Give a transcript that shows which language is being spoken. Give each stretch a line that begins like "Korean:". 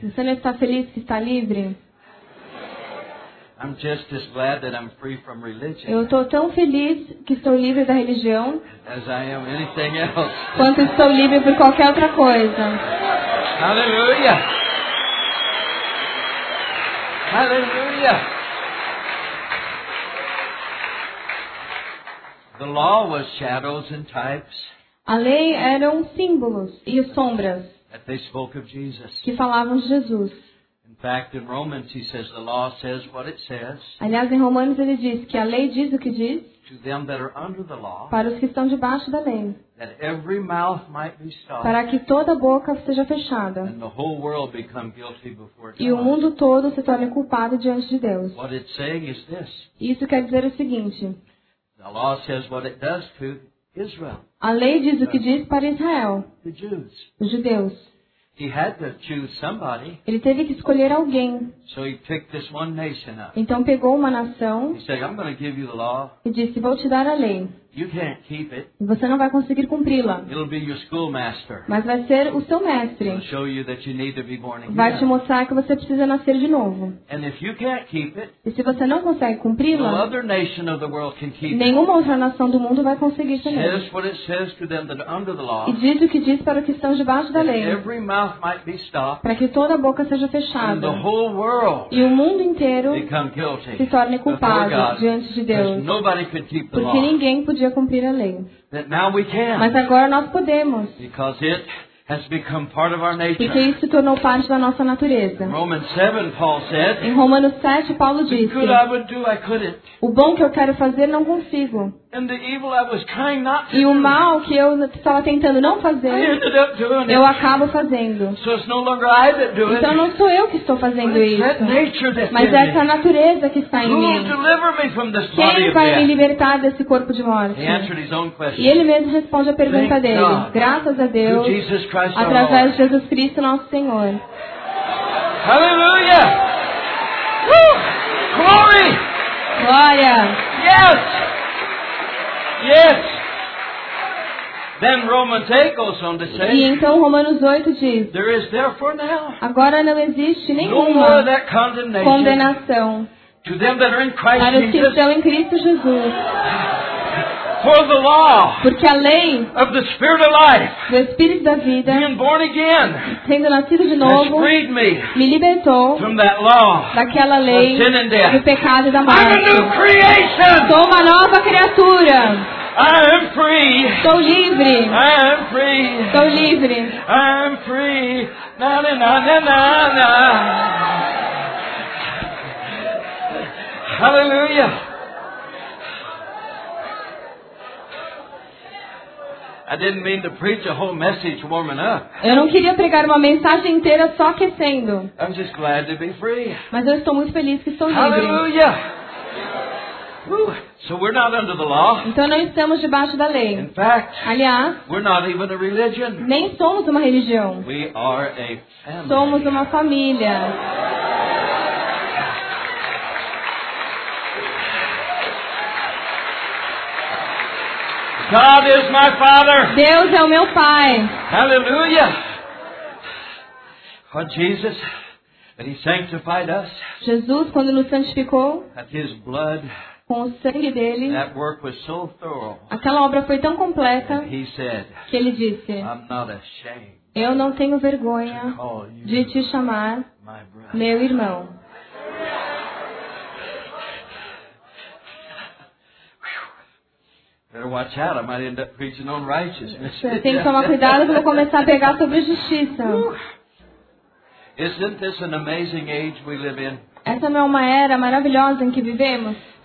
Portuguese: Você não está feliz que está livre?
English: I'm just as glad that I'm free from religion.
Portuguese: Eu estou tão feliz que estou livre da religião.
English: As I am anything else.
Portuguese: Quanto estou livre por qualquer outra coisa.
English: Hallelujah.
Portuguese: Hallelujah.
English: The law was shadows and types.
Portuguese: A lei eram símbolos e sombras.
English: That they spoke of Jesus.
Portuguese: Que falavam de Jesus.
English: In fact, in Romans he says the law says what it says.
Portuguese: Aliás, em Romanos ele diz que a lei diz o que diz.
English: To them that are under the law.
Portuguese: Para os que estão debaixo da lei.
English: That every mouth might be stopped.
Portuguese: Para que toda boca seja fechada.
English: And the whole world become guilty before God.
Portuguese: E o mundo todo se torne culpado diante de Deus.
English: What it's saying is this.
Portuguese: Isso quer dizer o seguinte.
English: The law says what it does to Israel.
Portuguese: A lei diz o que diz para Israel, os judeus.
English: He had to choose somebody.
Portuguese: Ele teve que escolher alguém.
English: So he picked this one nation up.
Portuguese: Então pegou uma nação.
English: He said, I'm going to give you the law.
Portuguese: E disse, vou te dar a lei.
English: You can't keep it.
Portuguese: E você não vai conseguir cumpri-la.
English: It'll be your schoolmaster.
Portuguese: Mas vai ser o seu mestre.
English: He'll show you that you need to be born again.
Portuguese: Vai te mostrar que você precisa nascer de novo.
English: And if you can't keep it,
Portuguese: e se você não consegue cumpri-la,
English: no other nation of the world can keep it.
Portuguese: Nenhuma outra nação do mundo vai conseguir ter isso.
English: Says what it says to them that are under the law.
Portuguese: E diz o que diz para os que estão debaixo da lei.
English: Every mouth might be stopped,
Portuguese: para que toda a boca seja fechada.
English: And the whole world
Portuguese: e o mundo inteiro
English: become guilty
Portuguese: se torne culpado diante de Deus.
English: Because nobody could keep the
Portuguese: porque
English: law.
Portuguese: Ninguém podia cumprir a lei.
English: That now we can.
Portuguese: Mas agora nós podemos.
English: Because it has become part of our nature.
Portuguese: Porque isso se tornou parte da nossa natureza.
English: Romans 7, Paul said,
Portuguese: em Romanos 7, Paulo disse,
English: the good I would do, I couldn't.
Portuguese: O bom que eu quero fazer, não consigo.
English: And the evil I was trying not to
Portuguese: e o mal que eu estava tentando não fazer,
English: I ended up doing
Portuguese: eu
English: it.
Portuguese: Acabo fazendo.
English: So it's no longer I that do
Portuguese: então
English: it.
Portuguese: Não sou eu que estou fazendo
English: but
Portuguese: isso.
English: That nature that's
Portuguese: mas
English: in
Portuguese: é essa natureza que está
English: who
Portuguese: em mim.
English: Will deliver me from this
Portuguese: quem
English: body
Portuguese: vai
English: of
Portuguese: me libertar desse corpo de morte?
English: He answered his own question.
Portuguese: E ele mesmo responde a pergunta
English: thank
Portuguese: dele.
English: God.
Portuguese: Graças a Deus.
English: To Jesus Christ
Portuguese: através
English: our Lord.
Portuguese: De Jesus Cristo, nosso Senhor. Aleluia!
English: Glory!
Portuguese: Glória!
English: Yes! Yes. Then Romans 8 goes on to say.
Portuguese: E então Romanos 8 diz.
English: There is therefore now.
Portuguese: Agora não existe nenhuma condenação.
English: To them that are in Christ Jesus.
Portuguese: Para os que estão em Cristo Jesus.
English: For the law.
Portuguese: Porque a lei.
English: Of the Spirit of life.
Portuguese: Do Espírito da vida.
English: Being born again.
Portuguese: Tendo nascido de novo.
English: Has freed me.
Portuguese: Me libertou.
English: From that law.
Portuguese: Daquela lei.
English: Of sin and death.
Portuguese: Do pecado e da morte.
English: I'm a new creation.
Portuguese: Sou uma nova criatura.
English: I am free.
Portuguese: Estou livre.
English: I am free.
Portuguese: Estou livre.
English: I am free. Na na na na na na. Hallelujah. I didn't mean to preach a whole message warming up.
Portuguese: Eu não queria pregar uma mensagem inteira só aquecendo.
English: I'm just glad to be free.
Portuguese: Mas eu estou muito feliz que estou
English: Hallelujah.
Portuguese: Livre.
English: Hallelujah. So we're not under the law.
Portuguese: Então não estamos debaixo da lei.
English: In fact,
Portuguese: aliás,
English: we're not even a religion.
Portuguese: Nem somos uma religião.
English: We are a family.
Portuguese: Somos uma família.
English: God is my Father.
Portuguese: Deus é o meu Pai.
English: Hallelujah. Oh, Jesus, that He sanctified us.
Portuguese: Jesus, quando nos santificou.
English: That His blood.
Portuguese: Com o sangue dele.
English: That work was so thorough.
Portuguese: Aquela obra foi tão completa.
English: He said.
Portuguese: Que ele disse.
English: I'm not ashamed.
Portuguese: Eu não tenho vergonha de te chamar meu irmão.
English: Better watch out, I might end up preaching on righteousness.
Portuguese: Você tem que tomar cuidado para começar a pegar sobre justiça.
English: Isn't this an amazing age we live in?
Portuguese: Essa não é uma era maravilhosa em que vivemos?